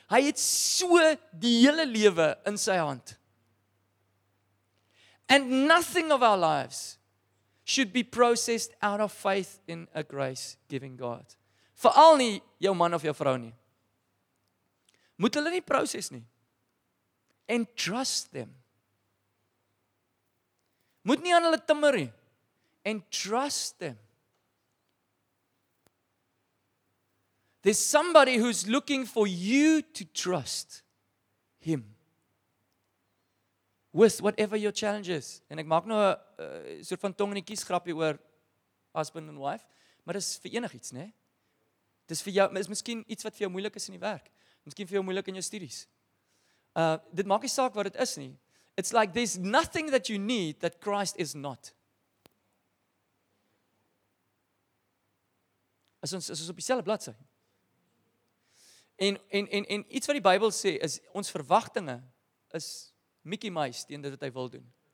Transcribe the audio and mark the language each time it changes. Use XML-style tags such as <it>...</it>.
<af>Hy het so die hele lewe in sy hand.</af> <en>And nothing of our lives should be processed out of faith in a grace-giving God.</en> <af>Veral nie jou man of jou vrou nie. Moet hulle nie proses nie.</af> <en>And trust them.</en> <af>Moet nie aan hulle timmer nie.</af> <en>And trust them. There's somebody who's looking for you to trust him. With whatever your challenge is.</en> <af>En ek maak nou 'n soort van tong in die kies grapje oor</af> <en>husband and wife.</en> <af>Maar dis vir enig iets, nee? Dis vir jou, is miskien iets wat vir jou moeilik is in die werk. Miskien vir jou moeilik in jou studies. Dit maak nie saak wat dit is nie.</af> <en>It's like there's nothing that you need that Christ is not.</en> <af>As ons op dieselfde bladsy. En iets wat die Bybel sê is ons verwagtinge is Mickey Mouse teen dit wat hy wil doen.</af>